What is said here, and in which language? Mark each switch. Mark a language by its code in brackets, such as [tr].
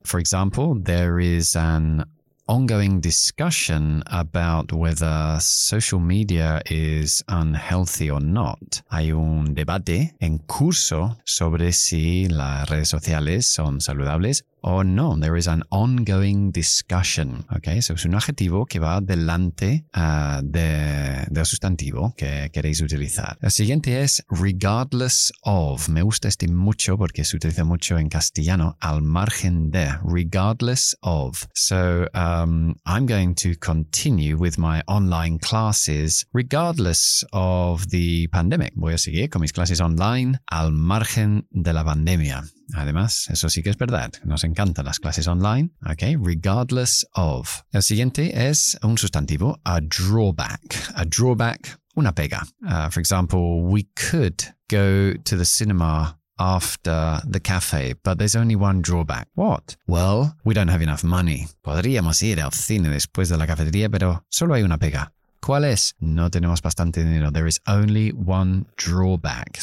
[en] For example, there is an ongoing discussion about whether social media is unhealthy or not. [es] Hay un debate en curso sobre si las redes sociales son saludables o no. [en] There is an ongoing discussion. Okay, so [es] es un adjetivo que va delante del sustantivo que queréis utilizar. El siguiente es regardless of. Me gusta este mucho porque se utiliza mucho en castellano, al margen de, regardless of. [en] So I'm going to continue with my online classes regardless of the pandemic. [es] Voy a seguir con mis clases online al margen de la pandemia. Además, eso sí que es verdad. Nos encantan las clases online. Okay, regardless of. El siguiente es un sustantivo, a drawback. A drawback, una pega. [en] For example, we could go to the cinema after the cafe, but there's only one drawback. What? Well, we don't have enough money. [es] Podríamos ir al cine después de la cafetería, pero solo hay una pega. ¿Cuál es? No tenemos bastante dinero. [en] There is only one drawback.